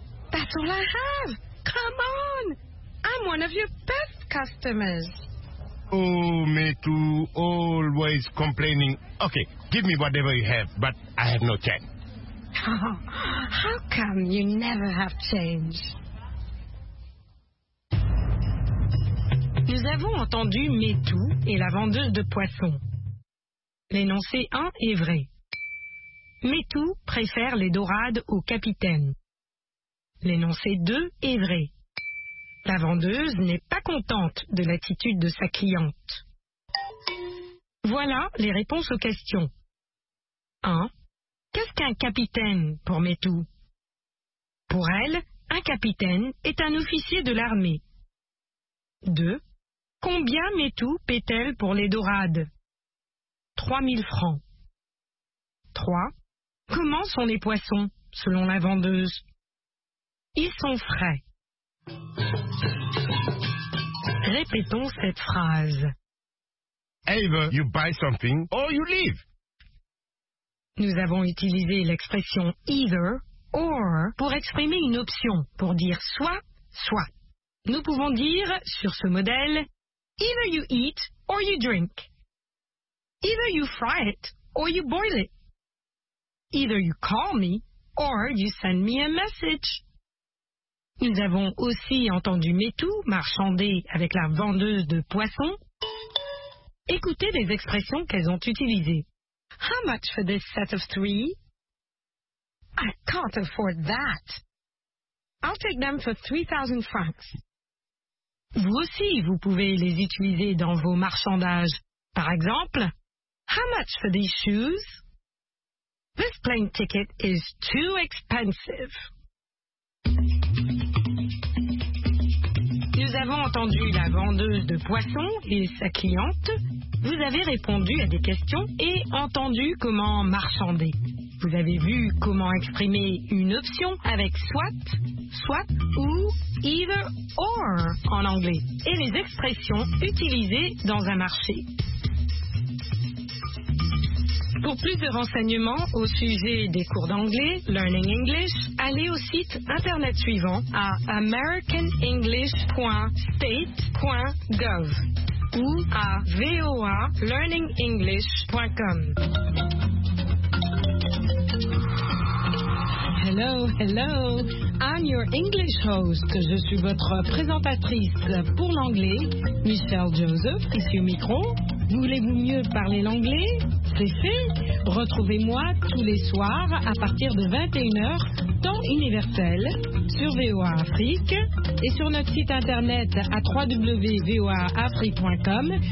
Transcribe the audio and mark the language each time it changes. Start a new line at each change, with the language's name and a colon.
English: That's all I have. Come on. I'm one of your best customers. Oh, me too. Always complaining. Okay, give me whatever you have, but I have no change. How come you never have change?
French: Nous avons entendu Metou et la vendeuse de poissons. L'énoncé 1 est vrai. Metou préfère les dorades au capitaine. L'énoncé 2 est vrai. La vendeuse n'est pas contente de l'attitude de sa cliente. Voilà les réponses aux questions. 1. Qu'est-ce qu'un capitaine pour Metou? Pour elle, un capitaine est un officier de l'armée. 2. Combien Metou paie-t-elle pour les dorades? 3000 francs. 3. Comment sont les poissons, selon la vendeuse? Ils sont frais. Répétons cette phrase.
English: Either you buy something or you leave.
French: Nous avons utilisé l'expression
English: either or
French: pour exprimer une option, pour dire soit, soit. Nous pouvons dire sur ce modèle.
English: Either you eat or you drink. Either you fry it or you boil it. Either you call me or you send me a message.
French: Nous avons aussi entendu Metou marchander avec la vendeuse de poissons. Écoutez les expressions qu'elles ont utilisées.
English: How much for this set of three? I can't afford that. I'll take them for 3,000 francs.
French: Vous aussi, vous pouvez les utiliser dans vos marchandages. Par exemple,
English: how much for these shoes? This plane ticket is too expensive.
French: nous avons entendu la vendeuse de poissons et sa cliente. Vous avez répondu à des questions et entendu comment marchander. Vous avez vu comment exprimer une option avec soit, soit ou
English: either or
French: en anglais et les expressions utilisées dans un marché. Pour plus de renseignements au sujet des cours d'anglais, Learning English, allez au site internet suivant à americanenglish.state.gov ou à voalearningenglish.com.
English: Hello, hello, I'm your English host.
French: Je suis votre présentatrice pour l'anglais, Michelle Joseph, ici au micro. Voulez-vous mieux parler l'anglais? C'est fait. Retrouvez-moi tous les soirs à partir de 21h, temps universel, sur VOA Afrique et sur notre site internet à www.voaafrique.com.